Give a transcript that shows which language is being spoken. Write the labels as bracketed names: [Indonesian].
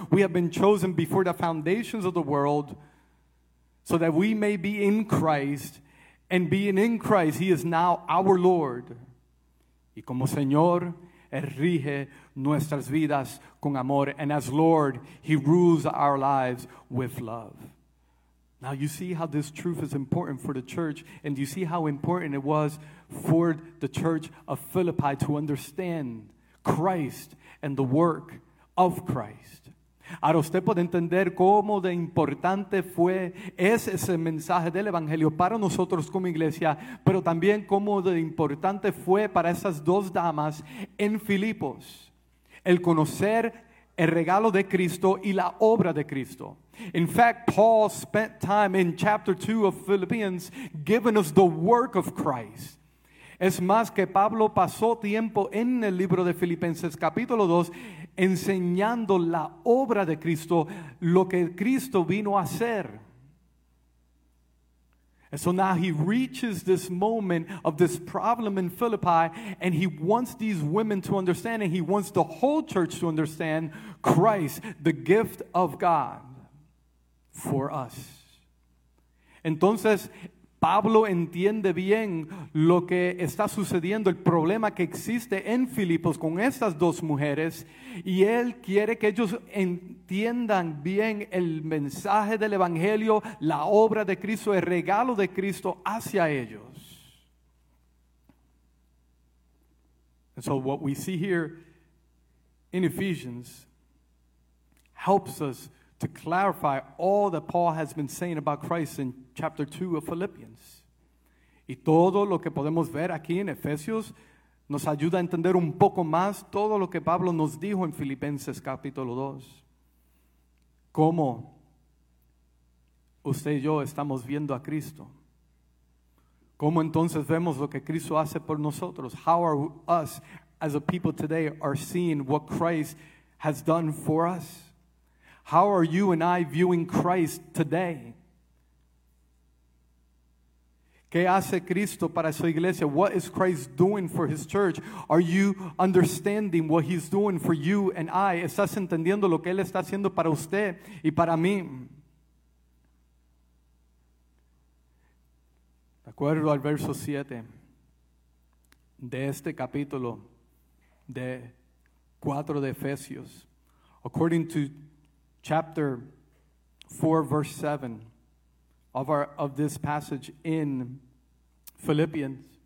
[English] We have been chosen before the foundations of the world, so that we may be in Christ, and being in Christ, He is now our Lord. [Spanish] Y como Señor, Él rige nuestras vidas con amor, [English] and as Lord, He rules our lives with love. Now you see how this truth is important for the church, and you see how important it was for the church of Philippi to understand Christ and the work of Christ. [Spanish] Ahora usted puede entender cómo de importante fue ese mensaje del Evangelio para nosotros como iglesia, pero también cómo de importante fue para esas dos damas en Filipos el conocer el regalo de Cristo y la obra de Cristo. [English] In fact, Paul spent time in chapter 2 of Philippians giving us the work of Christ. [Spanish] Es más que Pablo pasó tiempo en el libro de Filipenses capítulo 2 enseñando la obra de Cristo, lo que Cristo vino a hacer. [English] And so now he reaches this moment of this problem in Philippi, and he wants these women to understand, and he wants the whole church to understand Christ, the gift of God for us. [Spanish] Entonces, Pablo entiende bien lo que está sucediendo, el problema que existe en Filipos con estas dos mujeres, y él quiere que ellos entiendan bien el mensaje del Evangelio, la obra de Cristo, el regalo de Cristo hacia ellos. [English] And so what we see here in Ephesians helps us to clarify all that Paul has been saying about Christ in chapter 2 of Philippians. [Spanish] Y todo lo que podemos ver aquí en Efesios nos ayuda a entender un poco más todo lo que Pablo nos dijo en Filipenses capítulo 2. Cómo usted y yo estamos viendo a Cristo. Cómo entonces vemos lo que Cristo hace por nosotros. [English] How are us as a people today are seeing what Christ has done for us. How are you and I viewing Christ today? [Spanish] ¿Qué hace Cristo para su iglesia? [English] What is Christ doing for his church? Are you understanding what he's doing for you and I? [Spanish] ¿Estás entendiendo lo que él está haciendo para usted y para mí? De acuerdo al verso 7 de este capítulo de 4 de Efesios, [English] according to chapter 4, verse 7 of this passage in Philippians.